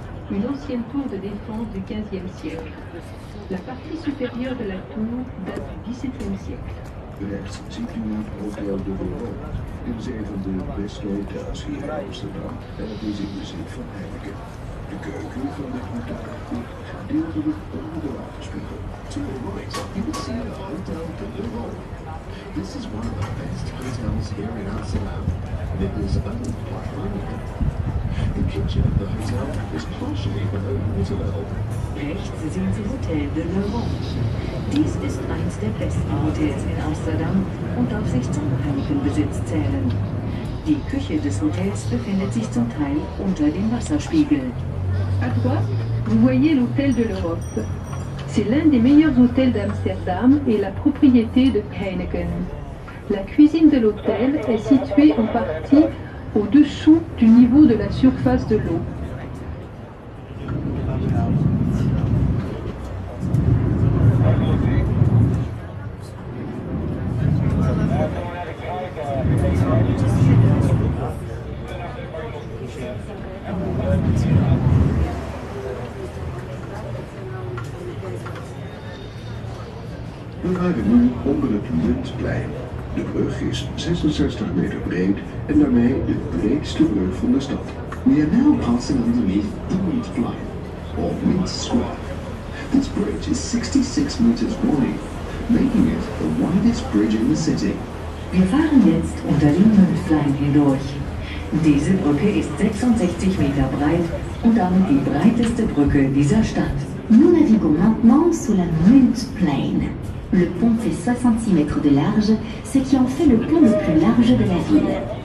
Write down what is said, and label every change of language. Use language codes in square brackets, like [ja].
[fr] Une ancienne tour de défense du 15e siècle. La partie supérieure de la tour date du 17e siècle. [nl] Rechts ziet u naar het hotel de Bourbon. Dit is een van de beste hotels hier in Amsterdam en het is in bezit van Heineken. De keuken van dit hotel wordt gedeeltelijk onder de water spiegel. [en] To the right, you will see the hotel de Bourbon. This is one of the best hotels here in Amsterdam. It is owned by Heineken. The kitchen of the hotel is partially below water level. [de] Rechts sehen Sie Hotel de Bourbon. Dies ist eins der besten Hotels in Amsterdam und darf sich zum Heinekenbesitz zählen. Die Küche des Hotels befindet sich zum Teil unter dem Wasserspiegel. [fr] À droite, vous voyez l'Hôtel de l'Europe. C'est l'un des meilleurs hôtels d'Amsterdam et la propriété de Heineken. La cuisine de l'hôtel est située en partie au-dessous du niveau de la surface de l'eau. [nl] We rijden nu onder het Muntplein. De brug is 66 meter breed en daarmee de breedste brug van de stad. [en] We are now passing underneath the Muntplein, or Mint Square. This bridge is 66 meters wide, making it the widest bridge in the city. [de] Wir fahren jetzt unter dem Muntplein hindurch. Diese Brücke ist 66 Meter breit und damit die breiteste Brücke dieser Stadt. [fr] Nous naviguons maintenant sous la Muntplein. Le pont fait 66 mètres de large, ce qui en fait le pont le plus large de la ville.